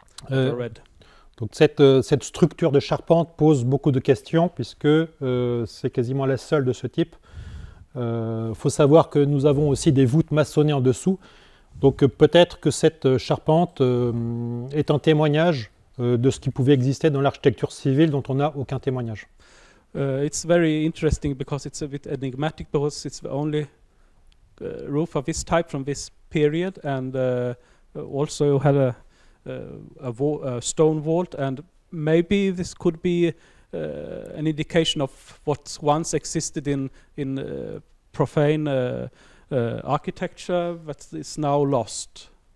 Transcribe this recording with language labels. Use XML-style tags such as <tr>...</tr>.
<en>Red.</en> <fr>Donc cette structure de charpente pose beaucoup de questions, puisque c'est quasiment la seule de ce type. Faut savoir que nous avons aussi des voûtes maçonnées en dessous, donc peut-être que cette charpente est un témoignage de ce qui pouvait exister dans l'architecture civile dont on n'a aucun témoignage.</fr> <en>It's very interesting because it's a bit enigmatic because it's the only roof of this type from this period, and also you had a stone vault, and maybe this could be an indication of what once existed in profane architecture that is now lost.</en>